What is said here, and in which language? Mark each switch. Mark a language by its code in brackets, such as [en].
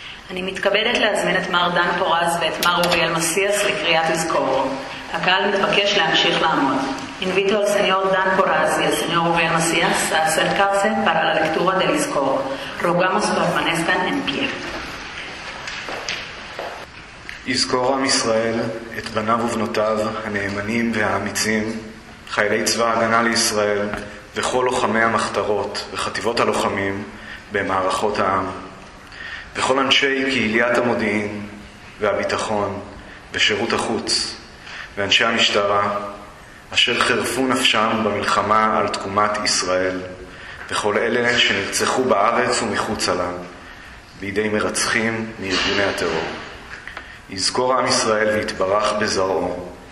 [he] מתכבדת להזמין את מר דן פורז ואת מר אוריאל מסיאס לקריאת הזכור. הקהל מתבקש להמשיך לעמוד. [es] Invito al señor Dan Porras y al señor Uriel Macías a acercarse para la lectura del הזכור. Rogamos que permanezcan en pie. [he] הזכור עם ישראל את בניו ובנותיו הנאמנים והאמיצים, חיילי צבא ההגנה לישראל וכל לוחמי המחתרות וחטיבות הלוחמים במערכות העם. וכל אנשי קהיליית המודיעין והביטחון ושירות החוץ ואנשי המשטרה אשר חרפו נפשם במלחמה על תקומת ישראל וכל אלה שנרצחו בארץ ומחוץ עלה בידי מרצחים מארגוני הטרור. יזכור עם ישראל ויתברך בזרעו